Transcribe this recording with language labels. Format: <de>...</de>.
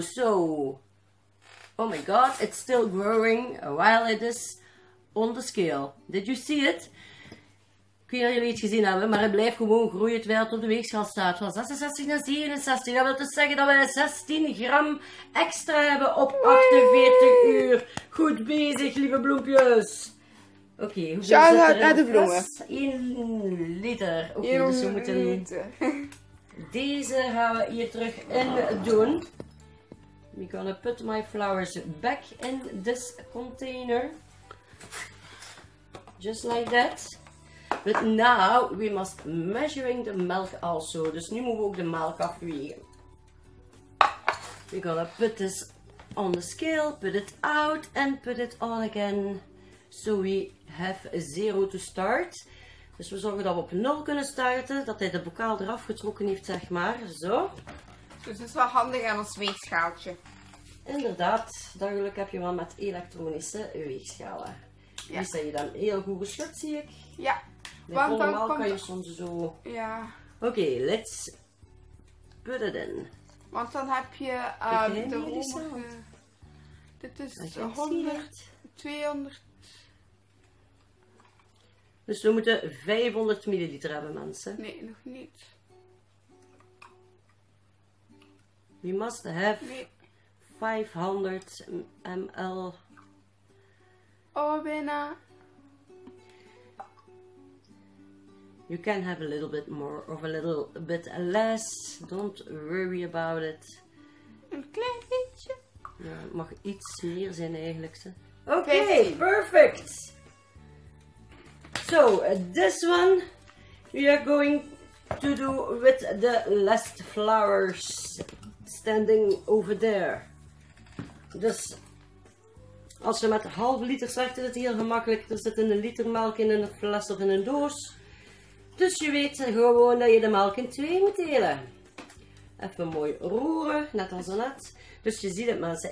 <en>So, oh my god, it's still growing while it is on the scale. Did you see it?</en> <nl>Ik weet niet of jullie iets gezien hebben, maar het blijft gewoon groeien terwijl het op de weegschaal staat. Van 66 naar 67. Dat wil dus zeggen dat we 16 gram extra hebben op 48 uur. Goed bezig, lieve bloempjes. Oké, hoeveel zit er in de fles? 1 liter. Oké, dus we moeten deze gaan we hier terug in doen. We gaan</nl> <en>put my flowers back in this container. Just like that. But now we must measuring the milk also.</en> <nl>Dus nu moeten we ook de melk afwegen.</nl> <en>We're gonna put this on the scale, put it out and put it on again. So we have zero to start.</en> <nl>Dus we zorgen dat we op nul kunnen starten, dat hij de bokaal eraf getrokken heeft, zeg maar. Zo. Dus het is wel handig aan ons weegschaaltje. Inderdaad, dat geluk heb je wel met elektronische weegschalen. Ja. Die zijn je dan heel goed geschud, zie ik. Ja. Met want dan kan komt... je soms zo... Ja.</nl> <en>Oké, let's put it in.</en> <nl>Want dan heb je de romige... Dit is 100, 200... Dus we moeten 500 milliliter hebben, mensen. Nee, nog niet.</nl> <en>We must have 500 ml.</en> <nl>Oh, bijna.</nl> <en>You can have a little bit more of a little bit less. Don't worry about it.</en> <nl>Een klein beetje. Ja, het mag iets meer zijn eigenlijk.</nl> <en>Oké, okay, perfect. So, this one we are going to do with the last flowers. Standing over there.</en> <nl>Dus als je met half liter zegt, is het heel gemakkelijk. Er zit een liter melk in een fles of in een doos. Dus je weet gewoon dat je de melk in twee moet delen. Even mooi roeren, net als net. Dus je ziet het, mensen.</nl>